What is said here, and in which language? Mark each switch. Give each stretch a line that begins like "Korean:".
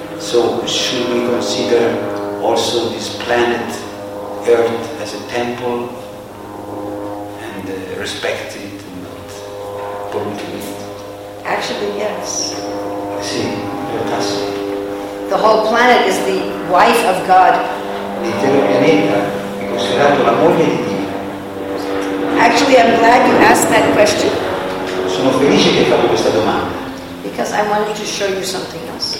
English: So should we consider also this planet Earth as a temple and respect it and not pollute it? Actually, yes.
Italian: Sì, sì.
English: The whole planet is the wife of God.
Italian: L'intero pianeta è considerato la moglie di Dio.
English: Actually, I'm glad you asked that question.
Italian: Sono felice che hai fatto questa domanda.
English: Because I wanted to show you something else.